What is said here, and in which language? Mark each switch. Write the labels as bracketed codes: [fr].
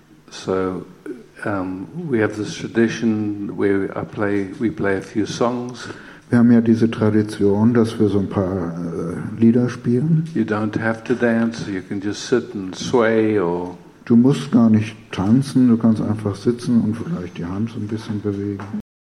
[en] So, we have this tradition where we play a few songs. [de] Wir haben ja diese Tradition, dass wir so ein paar Lieder spielen. [en] You don't have to dance, you can just sit and sway or. [de] Du musst gar nicht tanzen, du kannst einfach sitzen und vielleicht die Hand so ein bisschen bewegen.